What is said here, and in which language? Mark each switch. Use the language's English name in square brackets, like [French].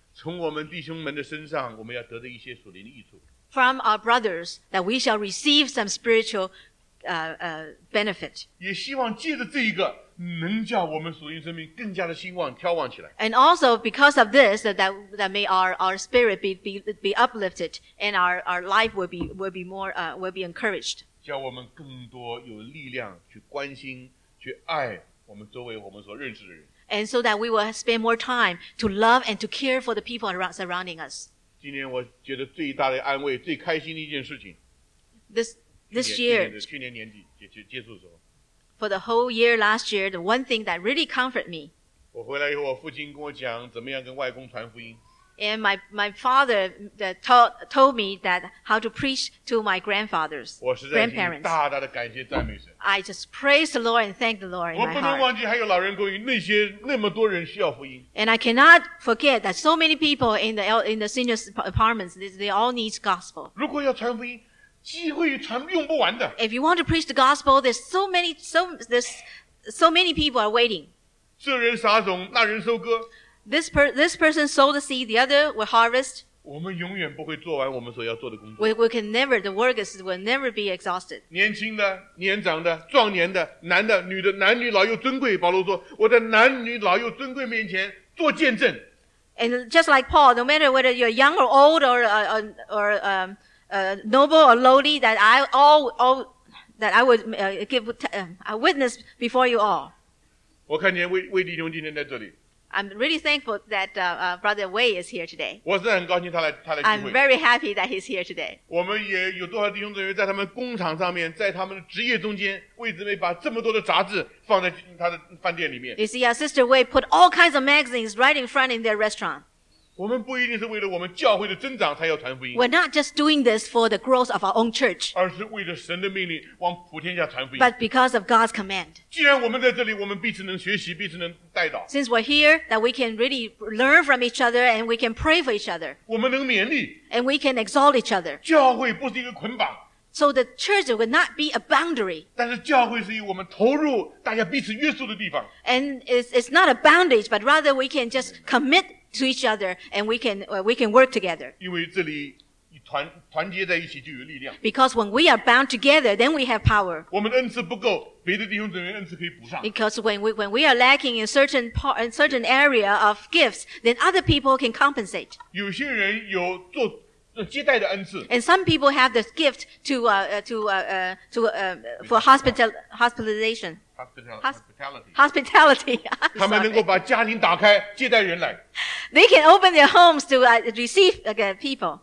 [Chinese] 从我们弟兄们的身上，我们要得到一些属灵的益处。 [English] From our brothers, that we shall receive some spiritual, benefit. [Chinese] 也希望借着这一个，能叫我们属灵生命更加的兴旺、眺望起来。 [English] And also because of this, that may our spirit be uplifted, and our life will be encouraged. [Chinese] 教我们更多有力量去关心去爱我们周围我们所认识的人 [English] and so that we will spend more time to love and to care for the people surrounding us [Chinese] 今年我觉得最大的安慰最开心的一件事情 [English] this year [Chinese] 去年年底结束的时候 [English] for the whole year last year the one thing that really comforted me [Chinese] 我回来以后我父亲跟我讲怎么样跟外公传福音 [English] and my father told me that how to preach to my grandfathers, grandparents. [Chinese] 大大的感谢赞美神。 [English] I just praise the Lord and thank the Lord in my heart. [Chinese] 我不能忘记还有老人公寓那些那么多人需要福音。 [English] And I cannot forget that so many people in the senior apartments, they all need gospel. [Chinese] 如果要传福音，机会传用不完的。 [English] If you want to preach the gospel, there's so many people are waiting. [Chinese] 这人撒种，那人收割。 [English] This person sowed the seed, the other will harvest. [Chinese] 我们永远不会做完我们所要做的工作。 [English] We can never, the work will never be exhausted. [Chinese] 年轻的、年长的、壮年的、男的、女的、男女老幼尊贵，保罗说：“我在男女老幼尊贵面前做见证。” [English] And just like Paul, no matter whether you're young or old or noble or lowly, that I all that I would give a witness before you all. [Chinese] 我看见魏弟兄今天在这里。 [English] I'm really thankful that Brother Wei is here today. [Chinese] 我是很高兴他来聚会。 [English] I'm very happy that he's here today. [Chinese] 我们也有多少弟兄姊妹在他们工厂上面，在他们的职业中间，魏姊妹把这么多的杂志放在他的饭店里面。 [English] You see, our sister Wei put all kinds of magazines right in front in their restaurant. [Chinese] 我们不一定是为了我们教会的增长才要传福音。 [English] We're not just doing this for the growth of our own church. [Chinese] 而是为了神的命令往普天下传福音。 [English] But because of God's command. [Chinese] 既然我们在这里，我们彼此能学习，彼此能带导。 [English] Since we're here, that we can really learn from each other and we can pray for each other. [Chinese] 我们能勉励。 [English] And we can exalt each other. [Chinese] 教会不是一个捆绑。 [English] So the church will not be a boundary. [Chinese] 但是教会是以我们投入大家彼此约束的地方。 [English] And it's not a boundage, but rather we can just commit to each other, and we can work together. [Chinese] 因为这里团结在一起就有力量。 [English] Because when we are bound together, then we have power. [Chinese] 我们的恩赐不够，别的弟兄姊妹恩赐可以补上。 [English] Because when we are lacking in certain part, in certain area of gifts, then other people can compensate. [Chinese] 有些人有做接待的恩赐。 [English] And some people have this gift for hospitalization. Hospitality. [Chinese] 他们能够把家庭打开，接待人来。 [English] They can open their homes to receive people.